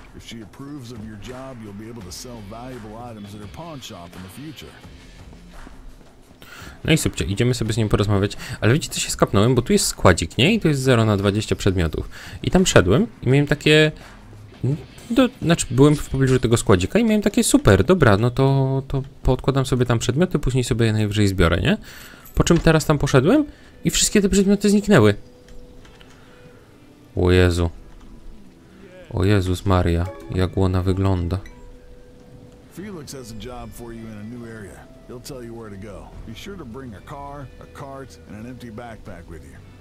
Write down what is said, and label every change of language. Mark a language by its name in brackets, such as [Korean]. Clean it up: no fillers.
[English] If she approves of your job, you'll be able to sell valuable items at her pawn shop in the future. [Polish] No i subcie, idziemy sobie z nią porozmawiać. Ale wiecie, co się skapnąłem? Bo tu jest składzik, nie? I tu jest 0 na 20 przedmiotów. I tam szedłem i miałem takie... znaczy, byłem w pobliżu tego składzika i miałem takie super, dobra, no to poodkładam sobie tam przedmioty, później sobie je najwyżej zbiorę, nie? Po czym teraz tam poszedłem i wszystkie te przedmioty zniknęły. O Jezu. O Jezus Maria, jak ona wygląda. [English] Felix has a job for you in a new area. He'll tell you where to go. Be sure to bring a car, a cart and an empty backpack with you.